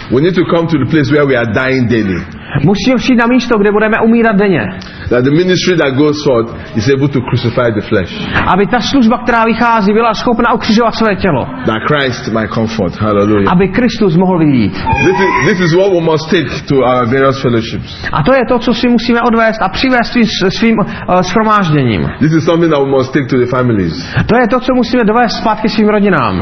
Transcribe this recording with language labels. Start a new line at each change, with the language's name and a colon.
English: We need to come to the place where we are dying daily.
Czech: Musíme přijít na místo, kde budeme umírat denně.
English: That the ministry that goes forth is able to crucify the flesh.
Czech: Aby ta služba, která vychází, byla schopna ukřižovat své tělo.
English: That Christ might comfort. Hallelujah.
Czech: Aby Kristus mohl vidět.
English: This is what we must take to our various fellowships.
Czech: A to je to, co si musíme odvést a přivést svým shromážděním.
English: This is something that we must take to the families.
Czech: To je to, co musíme dovést zpátky svým rodinám.